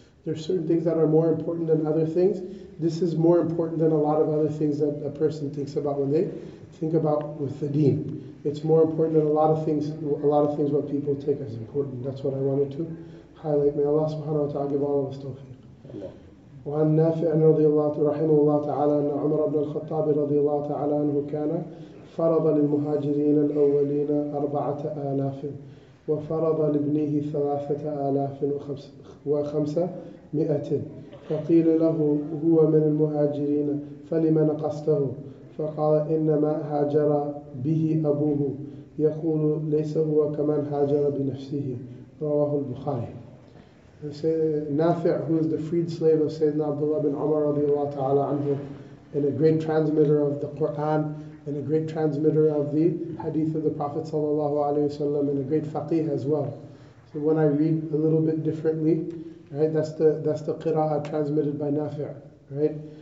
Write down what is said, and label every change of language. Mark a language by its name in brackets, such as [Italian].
[English] There are certain things that are more important than other things. This is more important than a lot of other things that a person thinks about when they think about with the deen. It's more important than a lot of things what people take as important. That's what I wanted to highlight. May Allah subhanahu wa ta'ala give all of us tawfiq. [Arabic] وعن نافع رضي الله تعالى رحمه الله تعالى أن عمر بن الخطاب رضي الله تعالى عنه كان فرض للمهاجرين الأولين 4,000 وفرض لابنه 3,500 فقيل له هو من المهاجرين فلما نقصته فقال إنما هاجر به أبوه يقول ليس هو كمن هاجر بنفسه رواه البخاري. [English] Nafi', who is the freed slave of Sayyidina Abdullah bin Umar radiallahu ta'ala anhu, and a great transmitter of the Qur'an, and a great transmitter of the hadith of the Prophet sallallahu alayhi wasallam, and a great faqih as well. So when I read a little bit differently, right, that's the qira'ah transmitted by Nafi', right?